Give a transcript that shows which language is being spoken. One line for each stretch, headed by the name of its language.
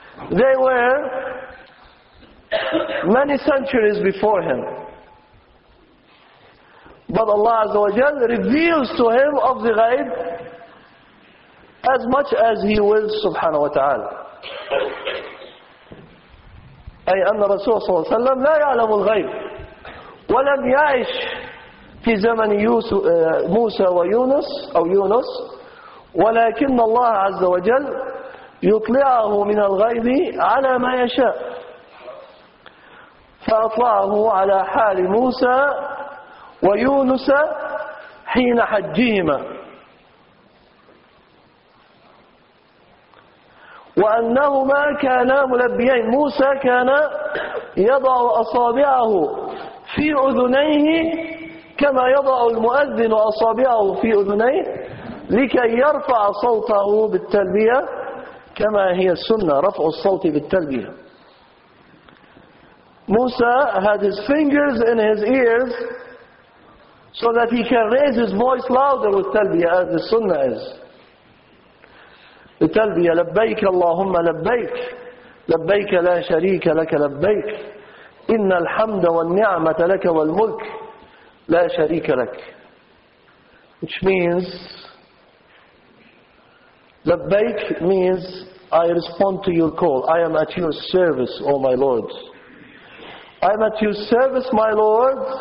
English: They were many centuries before him. But Allah Azza wa Jal reveals to him of the ghaib as much as he wills subhanahu wa ta'ala.
Arabic: أي أن الرسول صلى الله عليه وسلم لا يعلم الغيب ولم يعش في زمن موسى ويونس أو يونس، ولكن الله عز وجل يطلعه من الغيب على ما يشاء، فأطلعه على حال موسى ويونس حين حجهما. وأنهما كانا ملبيين، موسى كان يضع أصابعه في أذنيه كما يضع المؤذن أصابعه في أذنيه لكي يرفع صوته بالتلبية كما هي السنة، رفع الصوت بالتلبية.
English: موسى had his fingers in his ears so that he can raise his voice louder with talbiyah, as the sunnah is.
Arabic: بتلبية لبيك اللهم لبيك لبيك لا شريك لك لبيك
English: إن الحمد والنعمة لك والملك لا شريك لك، which means لبيك means I respond to your call, I am at your service, oh my lord, I am at your service my lord,